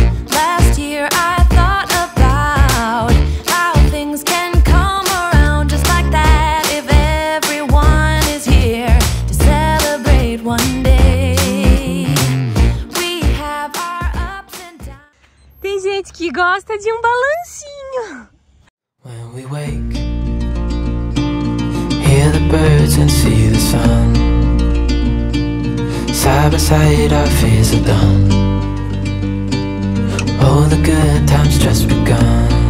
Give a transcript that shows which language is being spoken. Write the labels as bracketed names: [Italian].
[English] Last year I thought about how things can come around just like that if everyone is here to celebrate one day. We have our ups and downs. [Portuguese] Tem gente que gosta de um balancinho. [English] When we wake, hear the birds and see the sun. Side by side, our fears are done. Oh, the good times just begun.